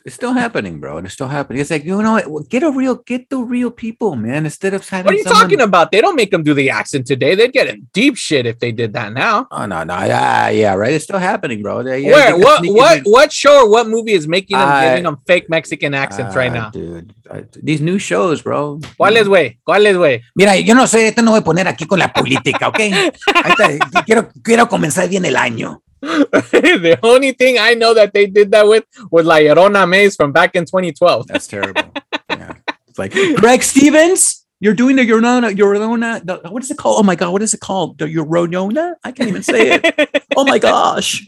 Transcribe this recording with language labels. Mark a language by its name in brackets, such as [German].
[English] It's still happening, bro. It's still happening. It's like, you know what? Get the real people, man. Instead of having, what are you talking about? They don't make them do the accent today. They'd get in deep shit if they did that now. Oh, no. Yeah, right. It's still happening, bro. Yeah, where? What show or what movie is making them giving them fake Mexican accents right now? Dude. These new shows, bro. [Spanish] ¿Cuál es, güey? Mira, yo no sé, esto no voy a poner aquí con la política, ¿ok? quiero comenzar bien el año. [English] The only thing I know that they did that with was La Llorona Maze from back in 2012. That's terrible. Yeah. It's like, Greg Stevens, you're doing the Llorona, what is it called? Oh, my God, what is it called? The Llorona? I can't even say it. Oh, my gosh.